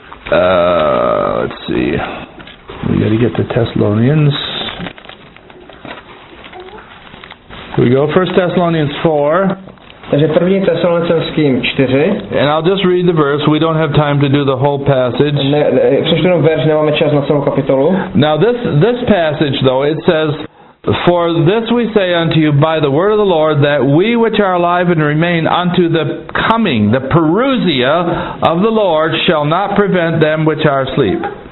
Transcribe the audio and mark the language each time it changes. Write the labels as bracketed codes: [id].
[en] Let's see. We gotta get to Thessalonians. Here we go, 1 Thessalonians 4. [cs] Takže 1. Thessalonickým 4. [en] And I'll just read the verse. We don't have time to do the whole passage. [cs] Přečtu jenom verš, nemáme čas na celou kapitolu. [en] Now this passage though, it says, for this we say unto you by the word of the Lord, that we which are alive and remain unto the coming, the parousia of the Lord, shall not prevent them which are asleep.